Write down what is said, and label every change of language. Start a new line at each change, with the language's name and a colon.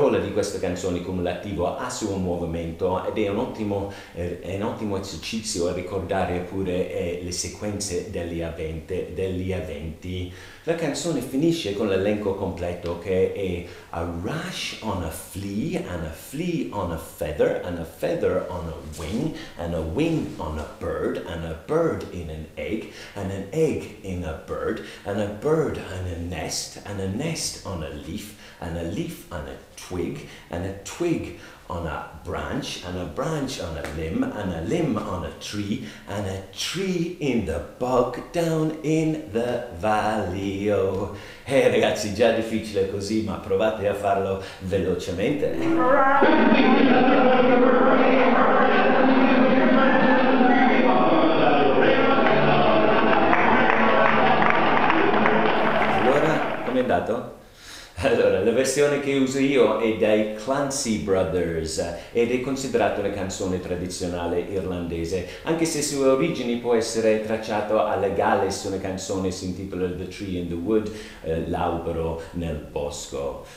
Italian: Questa canzone cumulativa ha il suo movimento ed è un ottimo esercizio a ricordare pure le sequenze degli eventi. La canzone finisce con l'elenco completo che è
English: a rush on a flea, and a flea on a feather, and a feather on a wing, and a wing on a bird, and a bird in an egg, and an egg in a bird on a nest, and a nest on a leaf, and a leaf on a twig, and a twig on a branch, and a branch on a limb on a tree, and a tree in the bog down in the valley. Oh.
Italian: Hey ragazzi, già difficile così, ma provate a farlo velocemente. Allora, com'è andato? Allora, la versione che uso io è dai Clancy Brothers ed è considerata una canzone tradizionale irlandese, anche se sue origini può essere tracciato alla Gales, una canzone si intitola The Tree in the Wood, l'albero nel bosco.